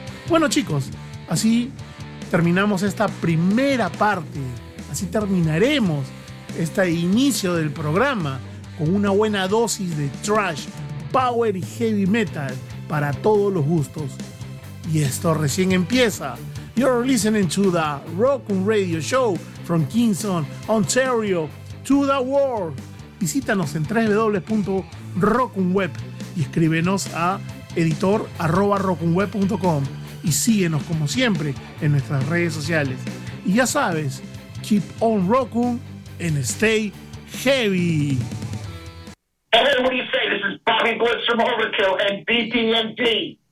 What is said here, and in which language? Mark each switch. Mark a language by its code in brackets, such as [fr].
[es] Bueno, chicos, así terminamos esta primera parte, así terminaremos este inicio del programa con una buena dosis de thrash, power y heavy metal para todos los gustos. Y esto recién empieza. [en] You're listening to the Rock'n Radio Show from Kingston, Ontario, to the world. [es] Visítanos en www.rock'nweb y escríbenos a editor@rock'nweb.com y síguenos como siempre en nuestras redes sociales. Y ya sabes, [en] keep on rocking and stay heavy. Hey, what do you say? This is Bobby Blitz from Overkill and BTMD.